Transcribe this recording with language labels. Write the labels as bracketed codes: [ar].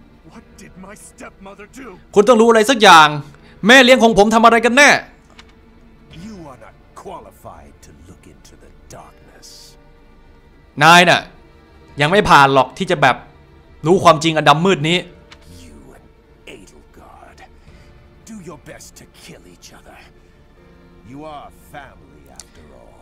[en] What did my stepmother do? [th] คุณต้องรู้อะไรสักอย่างแม่เลี้ยงของผมทำอะไรกันแน่ [en] You are not qualified to look into the darkness. [th] นายน่ะยังไม่ผ่านหรอกที่จะแบบรู้ความจริงอันดำมืดนี้ [en] You and Edelgard do your best to kill each other. You are family after all.